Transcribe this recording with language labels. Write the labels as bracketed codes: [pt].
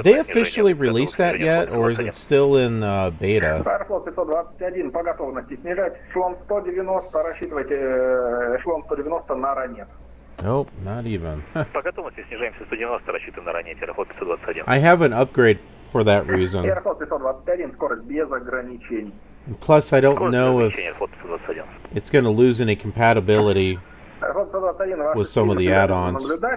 [en] Did they officially release that yet, or is it still in beta? [ru] Аэрофлот 521 по готовности снижать эшелон 190. Рассчитывайте эшелон 190 на Ранет. [en] Nope, not even. [ru] По готовности снижаемся 190, рассчитываем на ранее Аэрофлот 521. [en] I have an upgrade for that reason. [ru] Аэрофлот 521, скорость без ограничений. [en] Plus, I don't know if it's going to lose any compatibility with some of the add-ons.